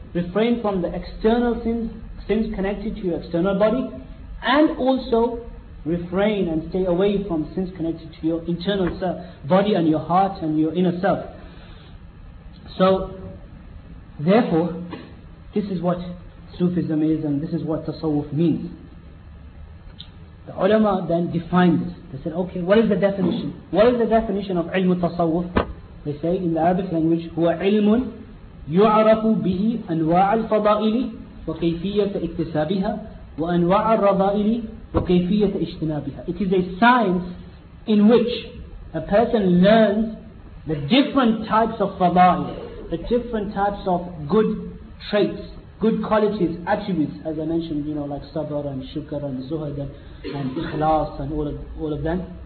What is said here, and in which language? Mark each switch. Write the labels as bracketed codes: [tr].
[en] Refrain from the external sins connected to your external body, and also refrain and stay away from sins connected to your internal self, body and your heart and your inner self. So, therefore, this is what Sufism is and this is what Tasawwuf means. The ulama then defined this. They said, okay, what is the definition? What is the definition of ilmu Tasawwuf? They say in the Arabic language, [ar] هو علم يعرف به أنواع الفضائل وكيفية اكتسابها وأنواع الرضائل. [en] It is a science in which a person learns the different types of fada'il, the different types of good traits, good qualities, attributes, as I mentioned, like sabr and shukr and zuhd and ikhlas and all of them.